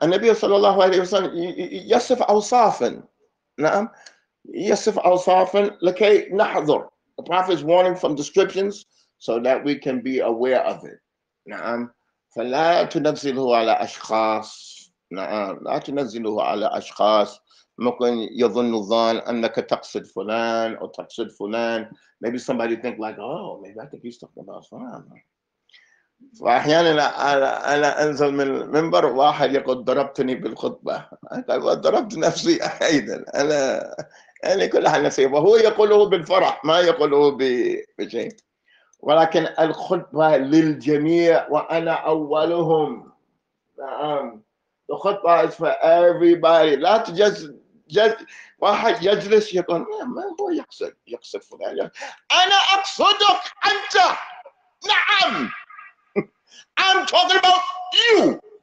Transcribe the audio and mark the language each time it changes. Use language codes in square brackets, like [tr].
[ar] النبي صلى الله عليه وسلم يصف أوصافا، نعم يصف أوصافا لكي نحذر. [en] The prophet is warning from descriptions so that we can be aware of it. [ar] نعم فلا تنزله على أشخاص، نعم لا تنزله على أشخاص ممكن يظن الظن أنك تقصد فلان أو تقصد فلان. [en] Maybe somebody think like oh maybe I think he's talking about فلان. [ar] واحيانا انا انزل من المنبر واحد يقول ضربتني بالخطبه، اقول ضربت نفسي ايضا، انا كلها نفسي، وهو يقوله بالفرح ما يقوله بشيء. ولكن الخطبه للجميع وانا اولهم. نعم الخطبه [en] is for everybody. [ar] لا تجلس واحد يجلس يقول ما هو يقصد فلان، انا اقصدك انت. [en] نعم I'm talking about you.